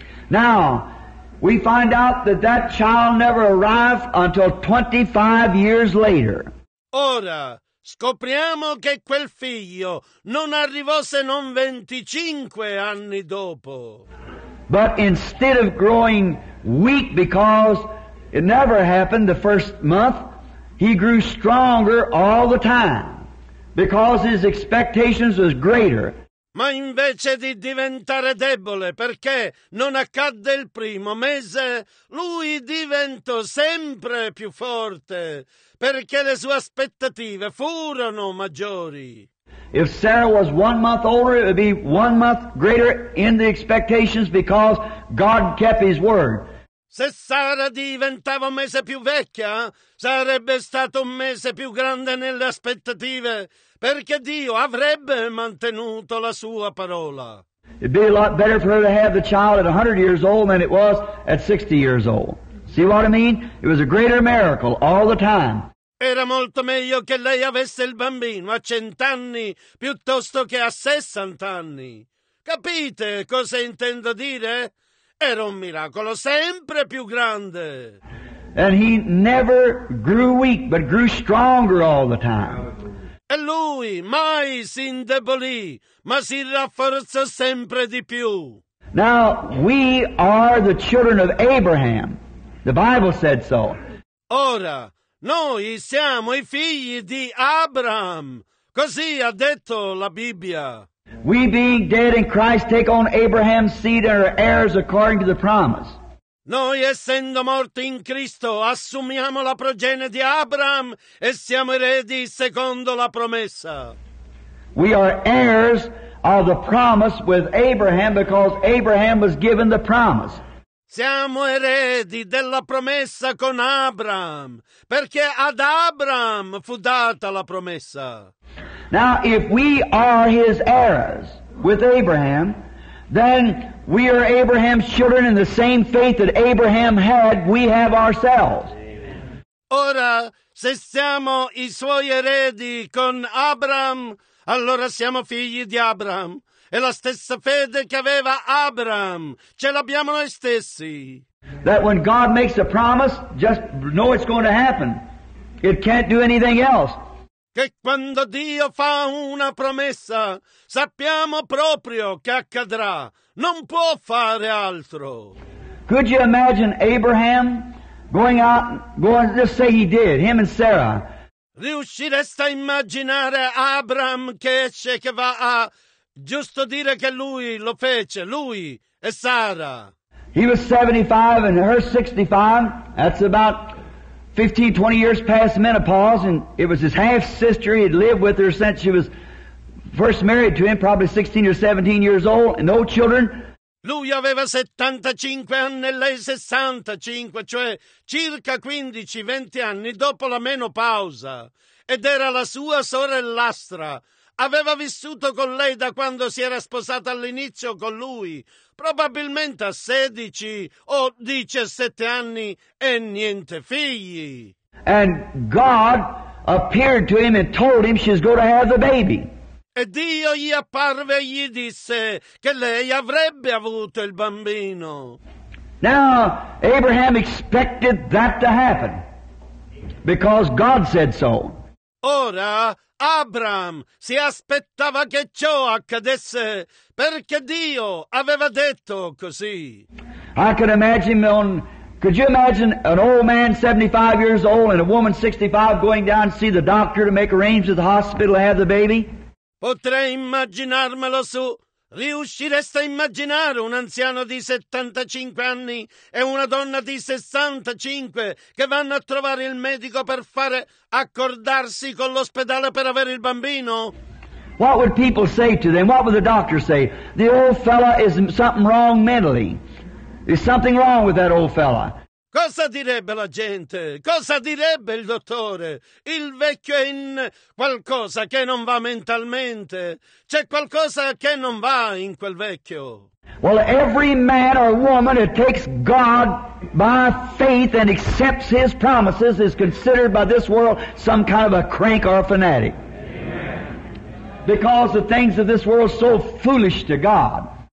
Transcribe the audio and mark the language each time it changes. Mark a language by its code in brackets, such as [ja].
[en] Now, we find out that that child never arrived until 25 years later. [it] Ora, scopriamo che quel figlio non arrivò se non 25 anni dopo. [en] But instead of growing weak because it never happened the first month, he grew stronger all the time because his expectations was greater. [it] Ma invece di diventare debole perché non accadde il primo mese, lui diventò sempre più forte perché le sue aspettative furono maggiori. [en] If Sarah was 1 month older, it would be 1 month greater in the expectations because God kept his word. [it] Se Sara diventava un mese più vecchia, sarebbe stato un mese più grande nelle aspettative, perché Dio avrebbe mantenuto la sua parola. [en] It'd be a lot better for her to have the child at 100 years old than it was at 60 years old. See what I mean? It was a greater miracle all the time. [it] Era molto meglio che lei avesse il bambino a 100 anni piuttosto che a 60 anni. Capite cosa intendo dire? Era un miracolo sempre più grande. [en] And he never grew weak, but grew stronger all the time. [it] E lui mai si indebolì, ma si rafforzò sempre di più. [en] Now, we are the children of Abraham. The Bible said so. [it] Ora, noi siamo i figli di Abraham. Così ha detto la Bibbia. [en] We being dead in Christ take on Abraham's seed and are heirs according to the promise. [it] Noi essendo morti in Cristo assumiamo la progenie di Abraham e siamo eredi secondo la promessa. [en] We are heirs of the promise with Abraham because Abraham was given the promise. [it] Siamo eredi della promessa con Abraham perché ad Abraham fu data la promessa. [en] Now, if we are his heirs with Abraham, then we are Abraham's children in the same faith that Abraham had, we have ourselves. [it] Ora, se siamo i suoi eredi con Abraham, allora siamo figli di Abraham. E la stessa fede che aveva Abraham, ce l'abbiamo noi stessi. [en] That when God makes a promise, just know it's going to happen. It can't do anything else. [it] Che quando Dio fa una promessa, sappiamo proprio che accadrà. Non può fare altro. [en] Could you imagine Abraham going out, just say he did, him and Sarah. [it] Riusciresti a immaginare Abraham che esce, che va a, giusto dire che lui lo fece, lui e Sara. [en] He was 75 and her 65, that's about 15, 20 years past menopause, and it was his half-sister. He had lived with her since she was first married to him, probably 16 or 17 years old, and no children. [it] Lui aveva 75 anni e lei 65, cioè circa 15, 20 anni dopo la menopausa. Ed era la sua sorellastra. Aveva vissuto con lei da quando si era sposata all'inizio con lui, probabilmente a 16 o 17 anni e niente figli. [en] And God appeared to him and told him she's going to have the baby. [it] E Dio gli apparve e gli disse che lei avrebbe avuto il bambino. [en] Now, Abraham expected that to happen because God said so. [it] Ora, Abraham si aspettava che ciò accadesse perché Dio aveva detto così. [en] I could imagine could you imagine an old man 75 years old and a woman 65 going down to see the doctor to make arrangements with the hospital to have the baby? [it] Potrei immaginarmelo su. Riusciresti a immaginare un anziano di 75 anni e una donna di 65 che vanno a trovare il medico per fare accordarsi con l'ospedale per avere il bambino? [en] What would people say to them? What would the doctor say? The old fella is something wrong mentally. There's something wrong with that old fella. [it] Cosa direbbe la gente? Cosa direbbe il dottore? Il vecchio è in qualcosa che non va mentalmente. C'è qualcosa che non va in quel vecchio. [en] Well, every man or woman who takes God by faith and accepts his promises is considered by this world some kind of a crank or a fanatic. Because the things of this world are so foolish to God.